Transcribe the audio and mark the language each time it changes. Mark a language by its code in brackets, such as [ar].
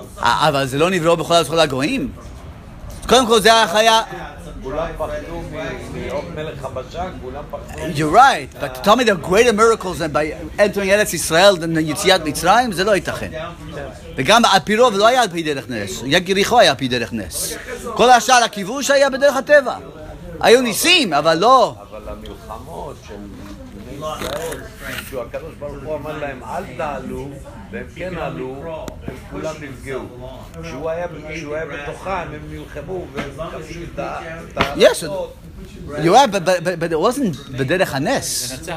[he] אבל זה לא נבראו בכל הזכות הגויים. קודם כל זה היה חיה... כולם פחדו מלך הבשן, כולם פחדו... [en] You're right, but to tell me the greater miracles than by entering ארץ ישראל than יציאת מצרים, [he] זה לא ייתכן. וגם על פי רוב לא היה על פי דרך נס, יריחו היה על פי דרך נס. כל השאר הכיבוש היה בדרך הטבע. היו ניסים, אבל לא. אבל המלחמות של בני ישראל, שהקדוש ברוך הוא אמר להם, אל תעלו, והם כן עלו, הם כולם נפגעו. כשהוא היה בתוכם, הם נלחמו והם כבשו את ה... יש, [en] You're right, but it wasn't בדרך הנס.